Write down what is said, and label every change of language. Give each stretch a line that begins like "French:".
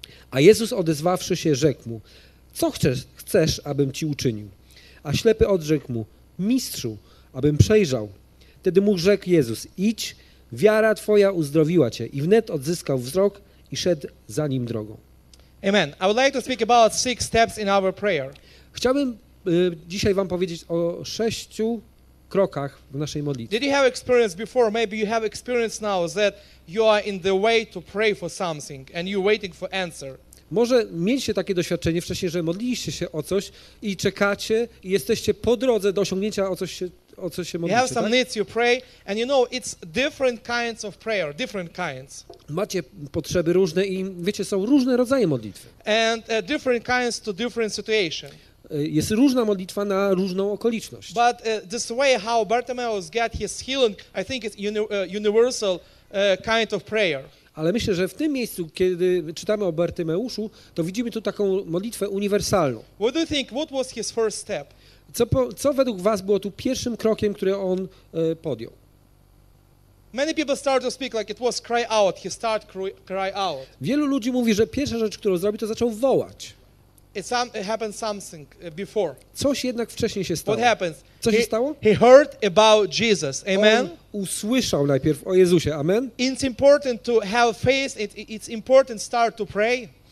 Polish: A Jezus odezwawszy się, rzekł mu: co chcesz, abym ci uczynił? A ślepy odrzekł mu: mistrzu, abym przejrzał. Wtedy mu rzekł Jezus: idź, Wiara twoja uzdrowiła cię. I wnet odzyskał wzrok i szedł za nim drogą. Amen.
English: I would like to speak about six steps in our prayer.
Polish: Chciałbym dzisiaj wam powiedzieć o sześciu krokach w naszej modlitwie.
English: Did you have experience before? Maybe you have experience now that you are in the way to pray for something and you're waiting for answer.
Polish: Może mieliście takie doświadczenie wcześniej, że modliliście się o coś i czekacie i jesteście po drodze do osiągnięcia o coś się modlicie.
English: You have some needs, you pray, and you know it's different kinds of prayer, different kinds.
Polish: Macie potrzeby różne i wiecie, są różne rodzaje modlitwy.
English: And different kinds to different situation.
Polish: Jest różna modlitwa na różną okoliczność.
English: But this way how Bartimaeus got his healing, I think it's universal kind of prayer.
Polish: Ale myślę, że w tym miejscu, kiedy czytamy o Bartymeuszu, to widzimy tu taką modlitwę uniwersalną.
English: What do you think, what was his first step?
Polish: Co według was było tu pierwszym krokiem, który on podjął?
English: Many people start to speak like it was cry out. He start cry out.
Polish: Wielu ludzi mówi, że pierwsza rzecz, którą zrobi, to zaczął wołać.
English: It happened something before.
Polish: Coś jednak wcześniej się stało.
English: What happens?
Polish: Co się stało?
English: He heard about Jesus. Amen.
Polish: On usłyszał najpierw o Jezusie. Amen.
English: It's important to have faith. It's important start to pray.